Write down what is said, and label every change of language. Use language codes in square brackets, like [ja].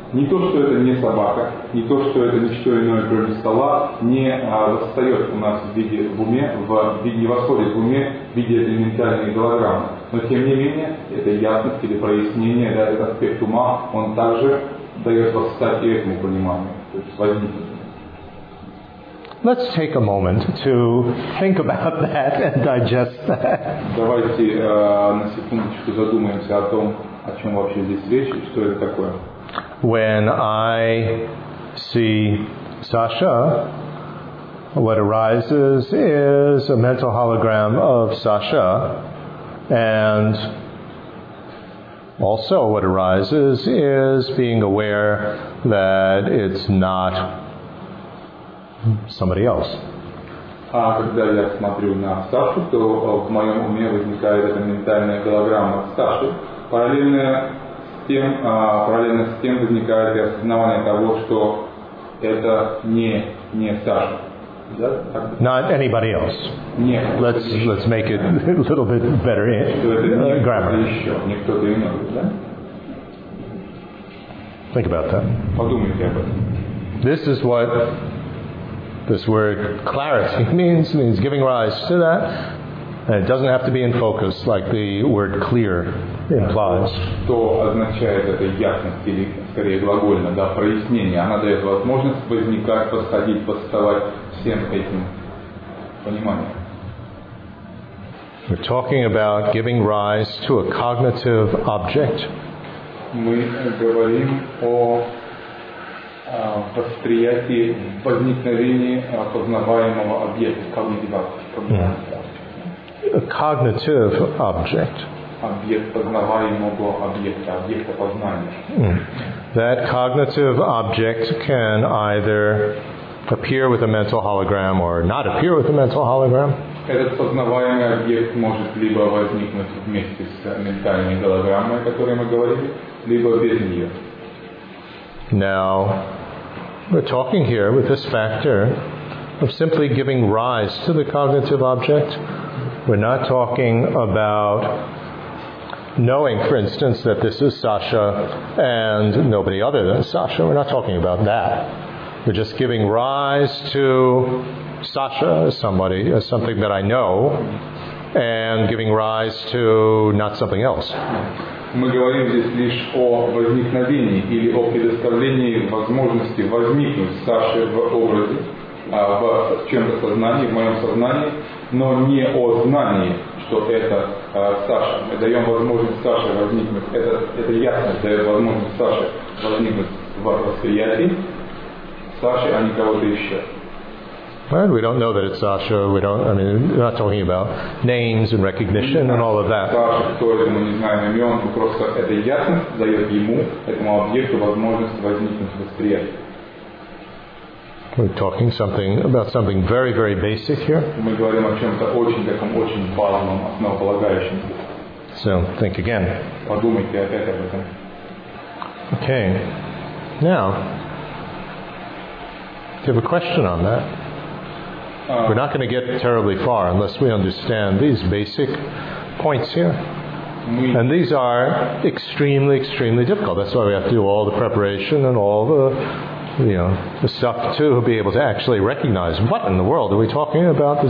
[ru] Не то, что это не собака, не то, что это не что иное, кроме стола, не восстает у нас в виде в уме, не восходит в уме в виде элементарной голограммы. Но тем не менее, это ясность или прояснение, да, этот аспект ума, он также дает восстать и этому пониманию. То есть возникнет. [en] Let's take a moment to think about that and digest that. [ru] Давайте на секундочку задумаемся о том, о чем вообще здесь речь и что это такое. [en] When I see Sasha, what arises is a mental hologram of Sasha, and also what arises is being aware that it's not somebody else. [ru] Когда я смотрю на Сашу, то в моем уме возникает эта ментальная голограмма Саши, параллельно с тем возникает и осознавание того, что это не Саша. Да? [en] Not anybody else. [ru] Нет. [en] Let's make it a little bit better in grammar. [ru] Еще не кто-то иной, да? [en] Think about that. [ru] Подумайте об этом. [en] This is what this word clarity means. It means giving rise to that. And it doesn't have to be in focus, like the word clear implies. [ru] Что означает эта ясность, или скорее глагольно, да, прояснение? Она дает возможность возникать, восходить, восставать всем этим пониманием. [en] We're talking about giving rise to a cognitive object. [ru] Мы говорим о восприятии, возникновении познаваемого объекта, [en] cognitive object. A cognitive object. [ru] Объект познаваемого объекта, объекта познания. [en] That cognitive object can either appear with a mental hologram or not appear with a mental hologram. [ru] Этот познаваемый объект может либо возникнуть вместе с ментальной голограммой, о которой мы говорили, либо без нее. [en] Now, we're talking here with this factor of simply giving rise to the cognitive object. We're not talking about knowing, for instance, that this is Sasha and nobody other than Sasha. We're not talking about that. We're just giving rise to Sasha as somebody, as something that I know, and giving rise to not something else. [ru] Мы говорим здесь лишь о возникновении или о предоставлении возможности возникнуть Саше в образе, в чем-то сознании, в моем сознании, но не о знании, что это Саша. Мы даем возможность Саше возникнуть, это ясность дает возможность Саше возникнуть в восприятии Саши, а не кого-то еще. [en] Right, we don't know that it's Sasha. We don't. I mean, we're not talking about names and recognition and all of that. [ru] Sasha, кто это, мы не знаем имен. Мы просто это ясность дает ему, этому объекту, возможность возникнуть в восприятии. [en] We're talking something about something very, very basic here. [ru] Мы говорим о чем-то очень таком очень базовом, основополагающем. [en] So think again. [ru] Подумайте опять об этом. [en] Okay. Now, do you have a question on that? We're not going to get terribly far unless we understand these basic points here. And these are extremely, extremely difficult. That's why we have to do all the preparation and all the, you know, the stuff to be able to actually recognize what in the world are we talking about.